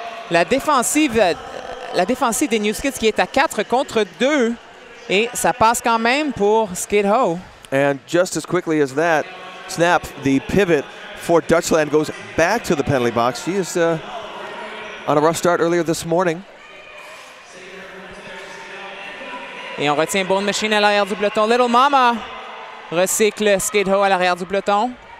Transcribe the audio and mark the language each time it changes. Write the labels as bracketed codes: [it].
[fr] La défensive des New Skids qui est à 4 contre 2. Et ça passe quand même pour Skid Ho. [en] And just as quickly as that, snap, the pivot for Dutchland goes back to the penalty box. She is on a rough start earlier this morning. [fr] Et on retient Bone Machine à l'arrière du peloton. Little Mama recycle Skid Row à l'arrière du peloton.